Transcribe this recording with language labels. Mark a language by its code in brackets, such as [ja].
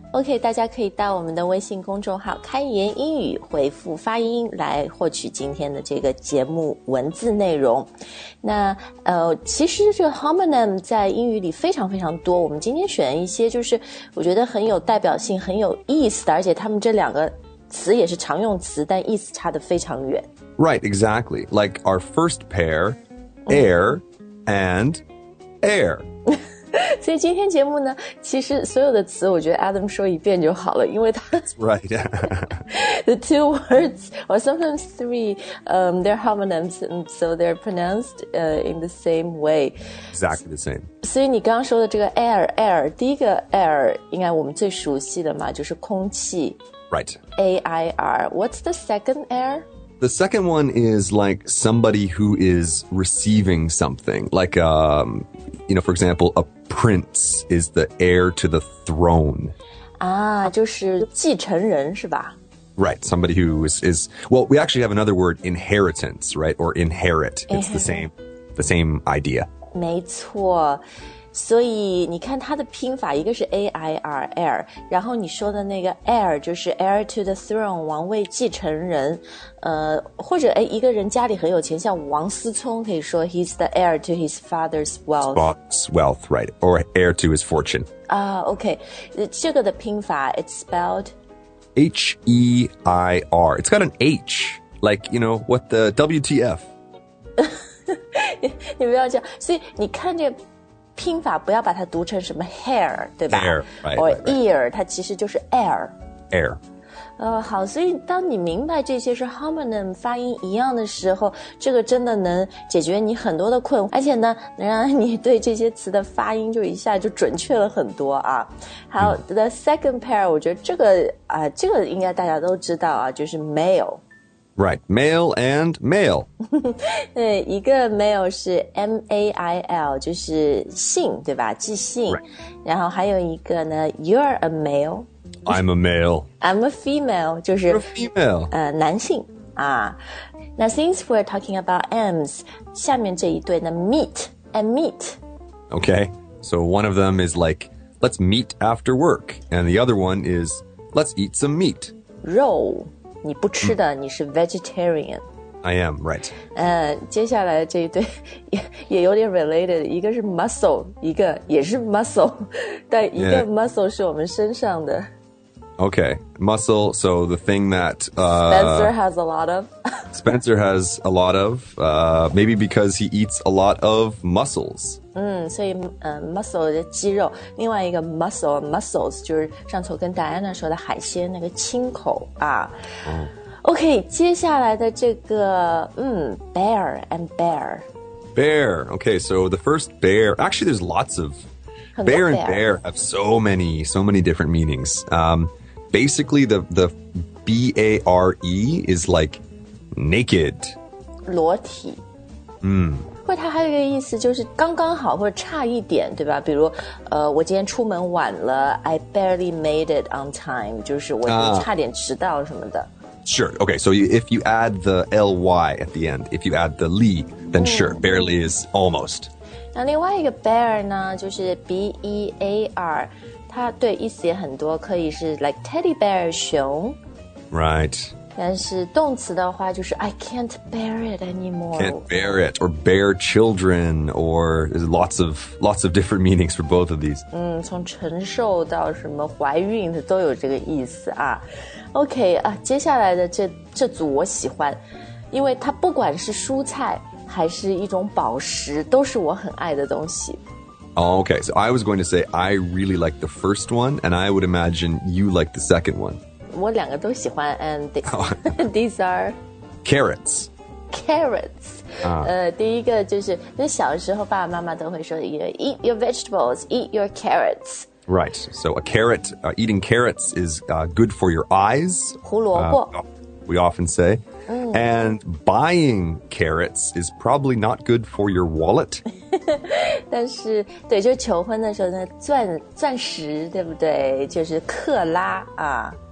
[zh] OK 大家可以到我们的微信公众号开言英语回复发音来获取今天的这个节目文字内容那、其实这个 homonym 在英语里非常非常多我们今天选一些就是我觉得很有代表性很有意思的而且他们这两个词也是常用词但意思差得非常远 [en] Right, exactly Like our first pair Air and Air [zh] 所以今天节目呢其实所有的词我觉得 Adam 说一遍就好了因为他 [en] That's right The two words or sometimes three、they're homonyms and so they're pronounced、in the same way Exactly the same [zh] 所以你刚刚说的这个 air 第一个 air 应该我们最熟悉的嘛就是空气 [en] Right A-I-R What's the second air? The second one is like somebody who is receiving something Like、you know for example a prince is the heir to the throne [zh] 啊就是继承人是吧 [en] Right, somebody who is, well, we actually have another word, inheritance, right, or inherit. It's the same idea. [zh] 没错。所以你看它的拼法一个是 A-I-R, air, 然后你说的那个 air, 就是 [en] heir to the throne, [zh] 王位继承人。或者一个人家里很有钱像王思聪可以说 [en] he's the heir to his father's wealth. Spot's wealth, right, or heir to his fortune. [zh] OK, 这个的拼法 [en] it's spelled... H-E-I-R. It's got an H. Like, you know, what the WTF. [zh] 你不要这样。所以你看这拼法不要把它读成什么 hair, 对吧 [en] Air, right, Or right. [zh] ear, 它其实就是 air. [en] Air. [zh] 好所以当你明白这些是 homonym 发音一样的时候这个真的能解决你很多的困惑而且呢能让你对这些词的发音就一下就准确了很多啊。好、 [en] the second pair, [zh] 我觉得这个啊、这个应该大家都知道啊就是 male。 [en] Right, male and male. [zh] 对一个 male 是 M-A-I-L, 就是姓对吧即姓、 [en] right. [zh] 然后还有一个呢 [en] you're a male. I'm a male. I'm a female. 就是 You're a female. [zh] 男性啊。 [en] Now, since we're talking about M's, [zh] 下面这一对呢 [en] meet and meet. Okay, so one of them is like, let's meet after work. And the other one is, let's eat some meat. [zh] 肉,你不吃的,你是 vegetarian. [en] I am, right. [zh] 接下来这一对 也有点 related, 一个是 muscle, 一个也是 muscle, 但一个 muscle 是我们身上的。 [en] Okay, muscle, so the thing that... Spencer has a lot of. Spencer has a lot of, maybe because he eats a lot of muscles. [zh] 所以、muscle 的肌肉。另外一个 muscle, muscles, 就是上次我跟 Diana 说的海鲜那个青口啊。 Okay, 接下来的这个、bear and bear. [en] Bear, okay, so the first bear, actually there's lots of... Bear and bear have so many different meanings.、basically, the B-A-R-E is like naked. [zh] 裸体。不过它还有一个意思就是刚刚好或者差一点对吧比如、我今天出门晚了 [en] I barely made it on time, [zh] 就是我差点迟到什么的。 [en] Sure, okay, so if you add the L-Y at the end, if you add the li, then、sure, barely is almost. [zh] 那另外一个 bear 呢就是 B-E-A-R 它对意思也很多可以是 [en] like teddy bear [zh] 熊 [en] Right [zh] 但是动词的话就是 [en] I can't bear it anymore. Can't bear it, or bear children, or there's lots of different meanings for both of these. [zh] 从承受到什么怀孕的都有这个意思啊。 OK, 啊接下来的这组我喜欢，因为它不管是蔬菜还是一种宝石都是我很爱的东西。 [en] Okay, so I was going to say I really like the first one, and I would imagine you like the second one. [zh] 我两个都喜欢 [en] and these are... Carrots. Carrots. [zh] 第一个就是那小时候爸爸妈妈都会说 [en] eat your vegetables, eat your carrots. Right, so a carrot, eating carrots is good for your eyes. [zh] 胡萝卜。 [en] We often say. And buying carrots is probably not good for your wallet. [zh] 但是对就求婚的时候呢 钻石对不对就是克拉啊。